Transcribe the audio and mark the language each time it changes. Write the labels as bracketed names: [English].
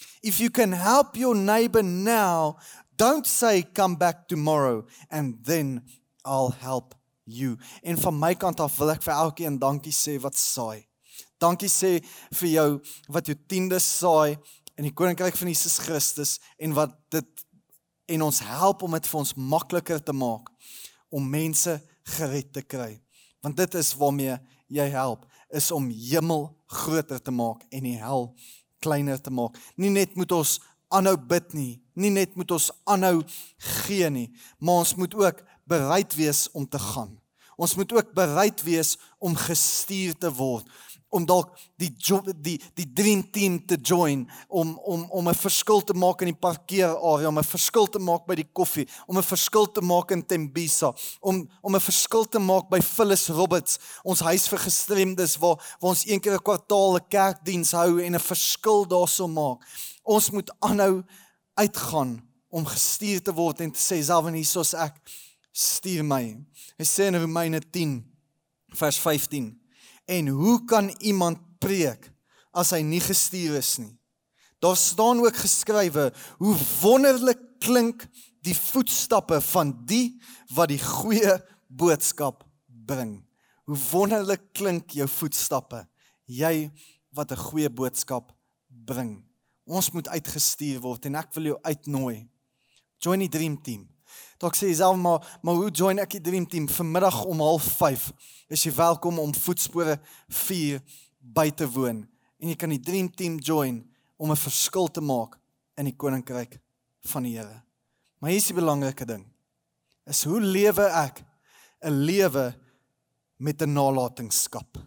[English] If you can help your neighbor now, don't say come back tomorrow, and then I'll help you. [Afrikaans] En van my kant af wil ek vir elkeen dankie sê wat saai. Dankie sê vir jou wat jou tiende saai in die koninkryk van Jesus Christus en wat dit en ons help om dit vir ons makliker te maak om mense gered te kry. Want dit is waarmee jy help, is om hemel groter te maak en die hel kleiner te maak. Nie net moet ons aanhou bid nie, nie net moet ons aanhou gee nie, maar ons moet ook bereid wees om te gaan. Ons moet ook bereid wees om gestuur te word, om dalk die dream team te join, om 'n verskil te maak in die parkeerarea, om 'n verskil te maak by die koffie, om 'n verskil te maak in Tembisa, om 'n verskil te maak by Phyllis Roberts, ons huis vir gestremdes, waar ons een keer 'n kwartaal 'n kerkdiens hou en 'n verskil daarso maak. Ons moet aanhou uitgaan om gestuur te word en te sê, self en hiersoos ek, stuur my. Hy sê in Romeine 10 vers 15, en hoe kan iemand preek as hy nie gestuur is nie? Daar staan ook geskrywe, hoe wonderlik klink die voetstappe van die wat die goeie boodskap bring. Hoe wonderlik klink jou voetstappe, jy wat 'n goeie boodskap bring. Ons moet uitgestuur word en ek wil jou uitnooi. Join die dream team. Dalk sê jyself, maar hoe join ek die dream team? Vanmiddag om 4:30 is jy welkom om voetspore 4 by te woon. En jy kan die dream team join om 'n verskil te maak in die koninkryk van die Here. Maar hier is die belangrike ding, is hoe lewe ek 'n lewe met 'n nalatenskap.